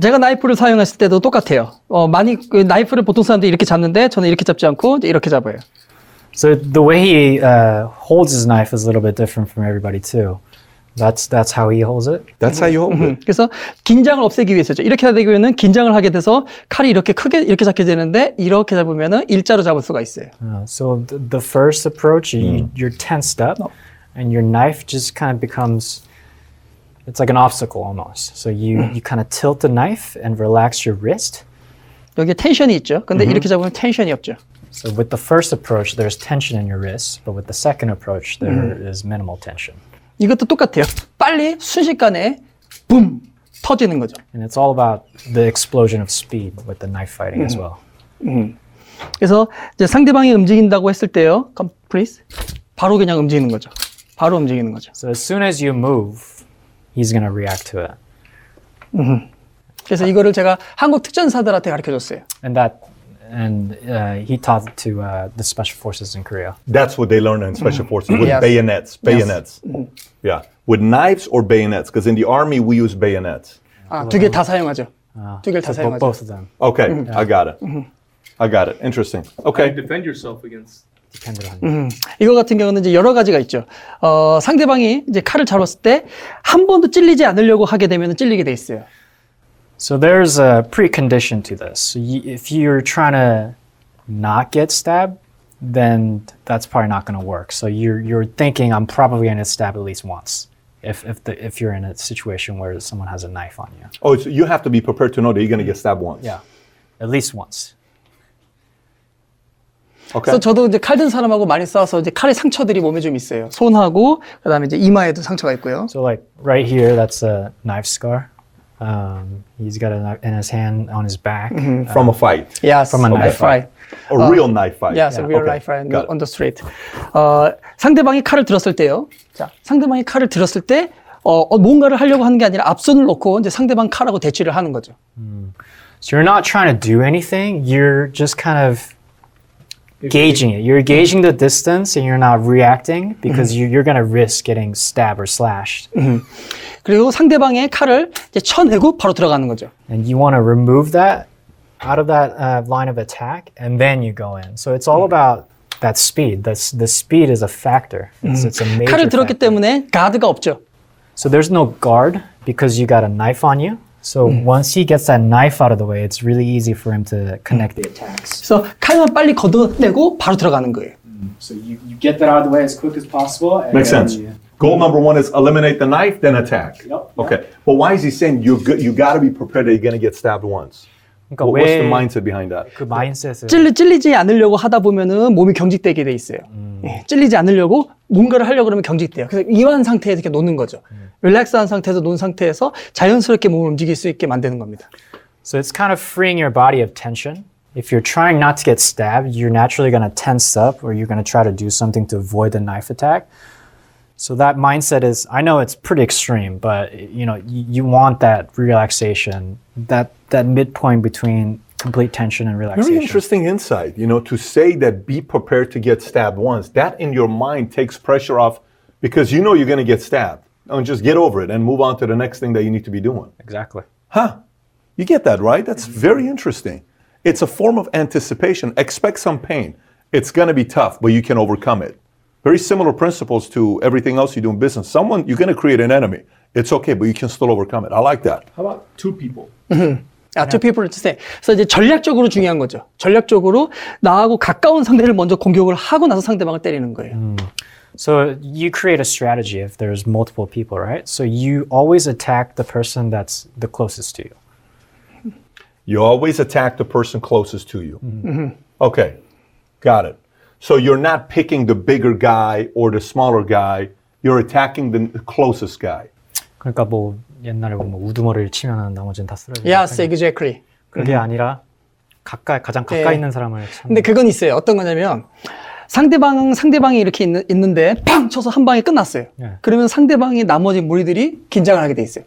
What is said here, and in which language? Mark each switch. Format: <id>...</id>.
<ko>제가 나이프를 사용했을 때도 똑같아요. 많이 나이프를 보통 사람들이 이렇게 잡는데 저는 이렇게 잡지 않고 이렇게 잡아요.</ko> <en>So the way he holds his knife is a little bit different from everybody too. That's how he holds it. That's how you hold it.</en> <ko>그래서 긴장을 없애기 위해서죠. 이렇게 하다 보면은 긴장을 하게 돼서 칼이 이렇게 크게 이렇게 잡게 되는데 이렇게 잡으면은 일자로 잡을 수가 있어요.</ko> <en>So the first approach, you're tensed up, and your knife just kind of becomes, it's like an obstacle almost. So you kind of tilt the knife and relax your wrist.</en> <ko>여기 텐션이 있죠. 근데 이렇게 잡으면 텐션이 없죠.</ko> <en>So with the first approach, there's tension in your wrist, but with the second approach, there is minimal tension.</en> <ko>이것도 똑같아요. 빨리 순식간에 붐 터지는 거죠.</ko> <en>And it's all about the explosion of speed with the knife fighting as well.</en> <ko>그래서 이제 상대방이 움직인다고 했을 때요.</ko> <en>Come, please.</en> <ko>바로 그냥 움직이는 거죠. 바로 움직이는 거죠.</ko> <en>So as soon as you move, he's going to react to it.</en> <ko>그래서 이거를 제가 한국 특전사들한테 가르쳐줬어요.</ko> <en>And he taught it to the special forces in Korea. That's what they learned in special forces with yes. bayonets. Yes. Yeah, with knives or bayonets, because in the army we use bayonets.</en> <ko>두 개 다 사용하죠. 두 개 다 사용하죠.</ko> <en>Both of them. Okay, yeah. I got it. Interesting. Okay. How do you defend yourself against?</en> <ko>이거 같은 경우는 이제 여러 가지가 있죠. 상대방이 이제 칼을 잡았을 때 한 번도 찔리지 않으려고 하게 되면 찔리게 돼 있어요.</ko> <en>So there's a precondition to this. So if you're trying to not get stabbed, then that's probably not going to work. So you're thinking, I'm probably going to stab at least once if you're in a situation where someone has a knife on you. Oh, so you have to be prepared to know that you're going to get stabbed once. Yeah, at least once. Okay.</en> <ko>So 저도 이제 칼 든 사람하고 많이 싸워서 이제 칼에 상처들이 몸에 좀 있어요. 손하고 그다음에 이제 이마에도 상처가 있고요.</ko> <en>So like right here, that's a knife scar. He's got it in his hand on his back. From a fight. Yes, from a knife fight. A real knife fight. Yes, yeah. a real knife fight got on the street.</en> <ko>상대방이 칼을 들었을 때요. 자, 상대방이 칼을 들었을 때, 뭔가를 하려고 하는 게 아니라 앞손을 놓고 이제 상대방 칼하고 대치를 하는 거죠.</ko> <en>So you're not trying to do anything. You're just kind of gauging it. You're gauging the distance and you're not reacting because you're going to risk getting stabbed or slashed.</en> <ko>그리고 상대방의 칼을 이제 쳐내고 바로 들어가는 거죠.</ko> <en>And you want to remove that out of that line of attack and then you go in. So it's all about that speed. The speed is a factor. It's a major</en> <ko>칼을 들었기</ko> <en>factor.</en> <ko>때문에 가드가 없죠.</ko> <en>So there's no guard because you got a knife on you. So once he gets that knife out of the way, it's really easy for him to connect the attacks.</en> <ko>So 칼만 빨리 걷어내고 바로 들어가는 거예요.</ko> <en>So you get that out of the way as quick as possible. And makes sense. Goal number one is eliminate the knife, then attack. Yep, yep. Okay. But why is he saying you got to be prepared that you're going to get stabbed once?</en> <ko>그러니까</ko> <en>what's the mindset behind that?</en> <ko>그 마인셋을 찔리지 않으려고 하다 보면은 몸이 경직되게 돼 있어요. 찔리지 않으려고 뭔가를 하려고 그러면 경직돼요. 그래서 이완 상태에서 이렇게 놓는 거죠. 릴렉스한 상태에서 놓은 상태에서 자연스럽게 몸을 움직일 수 있게 만드는 겁니다.</ko> <en>So it's kind of freeing your body of tension. If you're trying not to get stabbed, you're naturally going to tense up or you're going to try to do something to avoid the knife attack. So that mindset is, I know it's pretty extreme, but you know, you want that relaxation, that midpoint between complete tension and relaxation. Very interesting insight, you know, to say that be prepared to get stabbed once, that in your mind takes pressure off because you know you're going to get stabbed. And just get over it and move on to the next thing that you need to be doing. Exactly. Huh. You get that, right? That's very interesting. It's a form of anticipation. Expect some pain. It's going to be tough, but you can overcome it. Very similar principles to everything else you do in business. Someone, you're going to create an enemy. It's okay, but you can still overcome it. I like that. How about two people? Yeah. Two people to say.</en> <ko>So 이제 전략적으로 중요한 거죠. 전략적으로 나하고 가까운 상대를 먼저 공격을 하고 나서 상대방을 때리는 거예요.</ko> <en>So you create a strategy if there's multiple people, right? So you always attack the person that's the closest to you. You always attack the person closest to you. Mm-hmm. Okay, got it. So you're not picking the bigger guy or the smaller guy. You're attacking the closest guy.</en> <ko>그러니까 뭐 옛날에 뭐 우두머리를 치면 나머지는 다 쓰러지고.</ko> <en>Yes, exactly.</en> <ko>그게 아니라 가까이 가장 가까이 네. 있는 사람을. 근데 그건 있어요. 어떤 거냐면 상대방이 이렇게 있는데 팡 쳐서 한 방에 끝났어요. 네. 그러면 상대방이 나머지 무리들이 긴장을 하게 돼 있어요.</ko>